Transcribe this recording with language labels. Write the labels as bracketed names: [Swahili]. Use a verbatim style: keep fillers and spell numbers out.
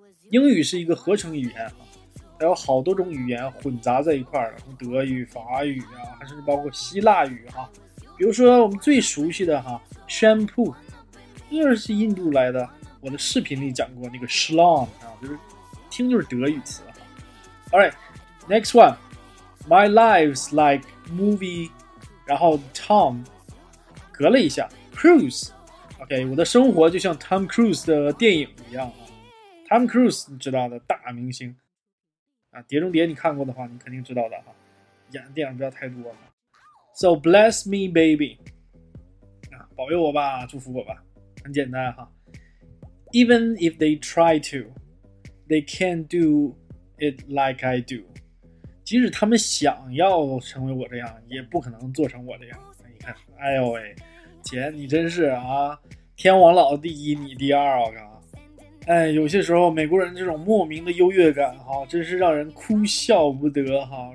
[Chinese] 英语是一个合成语言啊，还有好多种语言混杂在一块儿了，德语、法语啊，还是包括希腊语啊。比如说我们最熟悉的哈 ，shampoo， 这是印度来的。我的视频里讲过那个 schlong 啊，就是听就是德语词。 [English] All right, next one, my life's like movie， [Chinese] 然后 Tom， 隔了一下 ，Cruise， OK， 我的生活就像 Tom Cruise 的电影一样啊。 Tom Cruise 你知道的，大明星。啊，碟中谍你看过的话，你肯定知道的哈。演的电影不要太多了。 [English] So bless me, baby， [Chinese] 啊，保佑我吧，祝福我吧，很简单哈。 [English] Even if they try to, they can't do it like I do。 [Chinese] 即使他们想要成为我这样，也不可能做成我这样。你看，哎呦喂，姐你真是啊，天王老第一，你第二，我靠。哎，有些时候美国人这种莫名的优越感哈，真是让人哭笑不得哈。